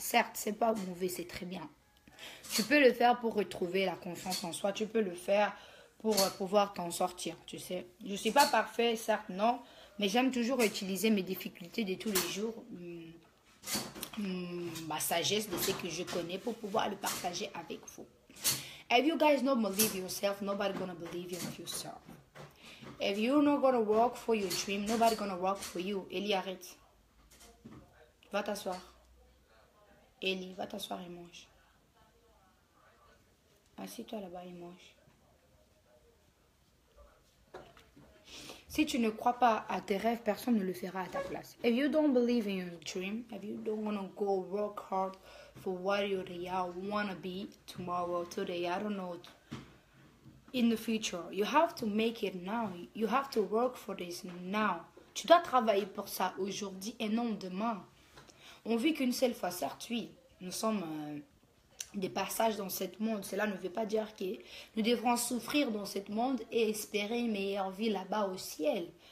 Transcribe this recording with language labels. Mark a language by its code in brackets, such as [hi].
[fr] Certes, c'est pas mauvais, c'est très bien. Tu peux le faire pour retrouver la confiance en soi, tu peux le faire pour pouvoir t'en sortir, tu sais. Je ne suis pas parfait, certes, non, mais j'aime toujours utiliser mes difficultés de tous les jours, ma sagesse de ce que je connais pour pouvoir le partager avec vous. [en] If you guys don't believe yourself, nobody gonna believe in yourself. If you're not gonna work for your dream, nobody gonna work for you. [fr] Ellie, arrête. Va t'asseoir. Ellie, va t'asseoir et mange. Assieds-toi là-bas et mange. Si tu ne crois pas à tes rêves, personne ne le fera à ta place. [en] If you don't believe in your dream, if you don't wanna go work hard for what you really wanna be tomorrow, today, I don't know, in the future, you have to make it now. You have to work for this now. [fr] Tu dois travailler pour ça aujourd'hui et non demain. On vit qu'une seule fois, certes, oui. Nous sommes des passages dans ce monde. Cela ne veut pas dire que nous devrons souffrir dans ce monde et espérer une meilleure vie là-bas au ciel.